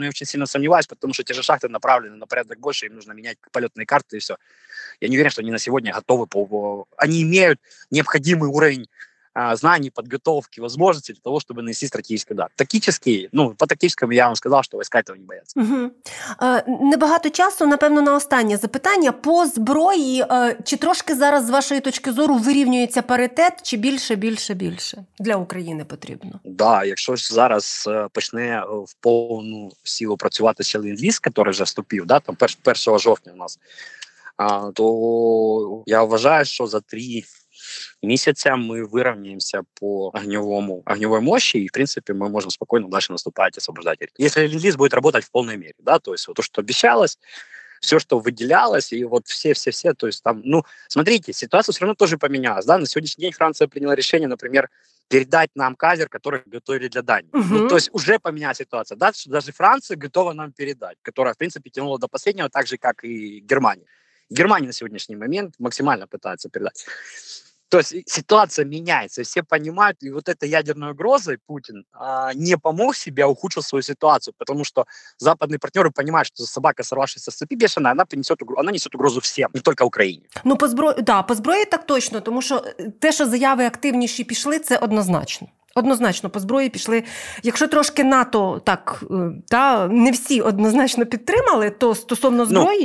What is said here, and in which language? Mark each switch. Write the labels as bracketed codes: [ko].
[ru] Ну, я очень сильно сомневаюсь, потому что те же шахты направлены на порядок больше, им нужно менять полетные карты и все. Я не уверен, что они на сегодня готовы, они имеют необходимый уровень знаний, подготовки, возможностей для того, чтобы нанести стратегический удар. Тактически, ну, по тактическому я вам сказал, что войска этого не боятся. Угу. [uk] Небагато часу, напевно, на останнє запитання. По зброї, чи трошки зараз, з вашої точки зору, вирівнюється паритет, чи більше для України потрібно? Да, якщо зараз почне в повну силу працювати ще Ленд-ліз, який вже вступив, да, там 1 жовтня у нас, то я вважаю, що за 3 місяця ми вирівняємося по огньовій мощі, і, в принципі, ми можемо спокійно далі наступати і освобождати. Якщо Ленд-ліз буде працювати в повній мірі, да, то есть, то, що обіцялось, [ru] все, что выделялось, и вот все-все-все, то есть там, ну, смотрите, ситуация все равно тоже поменялась, да, на сегодняшний день Франция приняла решение, например, передать нам катер, который готовили для Дании. Угу. Ну, то есть уже поменялась ситуация, да, что даже Франция готова нам передать, которая, в принципе, тянула до последнего, так же, как и Германия. Германия на сегодняшний момент максимально пытается передать. То есть ситуация меняется, все понимают, и вот эта ядерная угроза, Путин не помог себе, а ухудшил свою ситуацию, потому что западные партнеры понимают, что собака, сорвавшаяся с цепи бешеная, она несет угрозу всем, не только Украине. [uk] Ну, по зброї так точно, тому що те, що заяви активніші пішли, це однозначно. Однозначно, по зброї пішли. Якщо трошки НАТО так, та не всі однозначно підтримали, то стосовно зброї.